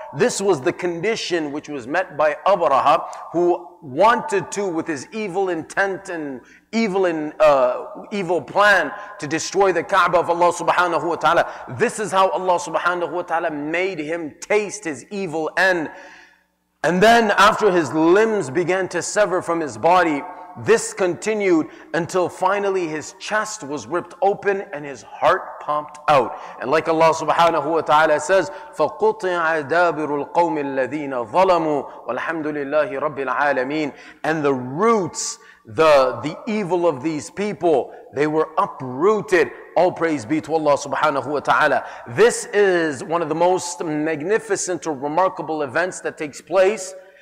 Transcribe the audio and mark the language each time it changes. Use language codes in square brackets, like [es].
[en] This was the condition which was met by Abraha, who wanted to, with his evil intent and evil plan to destroy the Kaaba of Allah subhanahu wa ta'ala. This is how Allah subhanahu wa ta'ala made him taste his evil end. And then after his limbs began to sever from his body, this continued until finally his chest was ripped open and his heart pumped out. And like Allah subhanahu wa ta'ala says, [ar] فَقُطِعَ دَابِرُ الْقَوْمِ الَّذِينَ ظَلَمُوا وَالْحَمْدُ لِلَّهِ رَبِّ الْعَالَمِينَ. [en] And the roots, the evil of these people, they were uprooted. All praise be to Allah subhanahu wa ta'ala. This is one of the most magnificent or remarkable events that takes place.